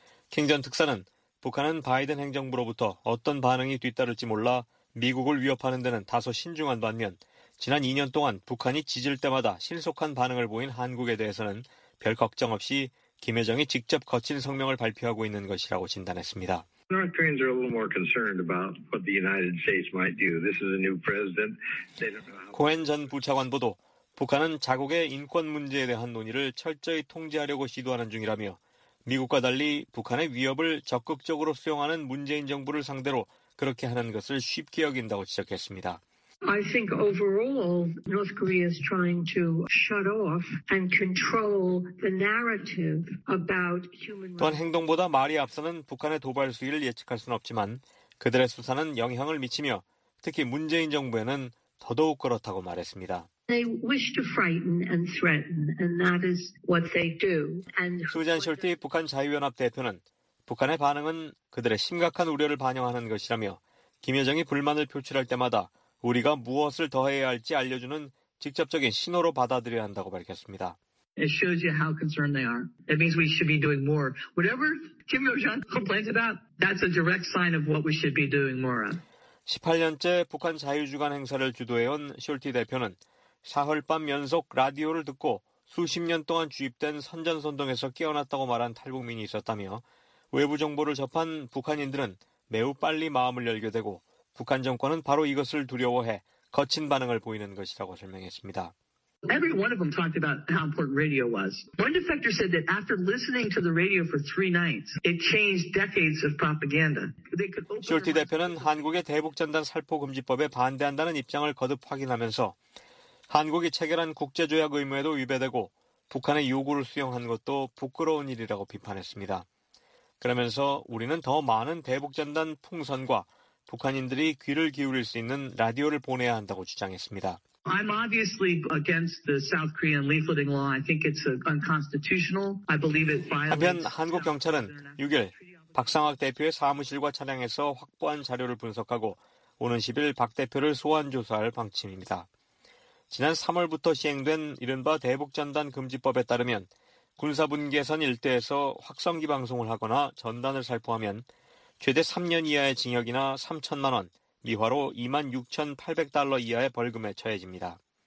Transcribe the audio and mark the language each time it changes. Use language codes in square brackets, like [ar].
[ko] 킹 전 특사는 북한은 바이든 행정부로부터 어떤 반응이 뒤따를지 몰라 미국을 위협하는 데는 다소 신중한 반면 지난 2년 동안 북한이 지질 때마다 신속한 반응을 보인 한국에 대해서는 별 걱정 없이 김여정이 직접 거친 성명을 발표하고 있는 것이라고 진단했습니다. [en] North Koreans are a little more concerned about what the United States might do. This is a new president. They don't know how. [ko] 코헨 전 부차관 보도, 북한은 자국의 인권 문제에 대한 논의를 철저히 통제하려고 시도하는 중이라며 미국과 달리 북한의 위협을 적극적으로 수용하는 문재인 정부를 상대로 그렇게 하는 것을 쉽게 여긴다고 지적했습니다. [en] I think overall North Korea is trying to shut off and control the narrative about human rights. [ko] 또한 행동보다 말이 앞서는 북한의 도발 수위를 예측할 수는 없지만 그들의 수사는 영향을 미치며 특히 문재인 정부에는 더더욱 그렇다고 말했습니다. [en] They wish to frighten and threaten, and that is what they do. And [ko] 수잔 숄티 북한 자유연합 대표는 북한의 반응은 그들의 심각한 우려를 반영하는 것이라며 김여정이 불만을 표출할 때마다 우리가 무엇을 더해야 할지 알려주는 직접적인 신호로 받아들여야 한다고 밝혔습니다. [en] It shows you how concerned they are. That means we should be doing more. Whatever Kim Yo-jong complains about, that's a direct sign of what we should be doing more of. [ko] 18년째 북한 자유주간 행사를 주도해온 숄티 대표는 사흘 밤 연속 라디오를 듣고 수십 년 동안 주입된 선전선동에서 깨어났다고 말한 탈북민이 있었다며 외부 정보를 접한 북한인들은 매우 빨리 마음을 열게 되고 북한 정권은 바로 이것을 두려워해 거친 반응을 보이는 것이라고 설명했습니다. [en] Every one of them talked about how important radio was. One defector said that after listening to the radio for three nights, it changed decades of propaganda. [ko] 숄티 대표는 한국의 대북 전단 살포 금지법에 반대한다는 입장을 거듭 확인하면서 한국이 체결한 국제 조약 의무에도 위배되고 북한의 요구를 수용한 것도 부끄러운 일이라고 비판했습니다. 그러면서 우리는 더 많은 대북 전단 풍선과 북한인들이 귀를 기울일 수 있는 라디오를 보내야 한다고 주장했습니다. [en] I'm obviously against the South Korean leafleting law. I think it's unconstitutional. I believe it violates. [ko] 한편 한국 경찰은 6일 박상학 대표의 사무실과 차량에서 확보한 자료를 분석하고 오는 10일 박 대표를 소환 조사할 방침입니다. 지난 3월부터 시행된 이른바 대북전단 금지법에 따르면 군사 분계선 일대에서 확성기 방송을 하거나 전단을 살포하면 최대 3년 이하의 징역이나 3천만 원, 미화로 2만 6,800달러 이하의 벌금에 처해집니다.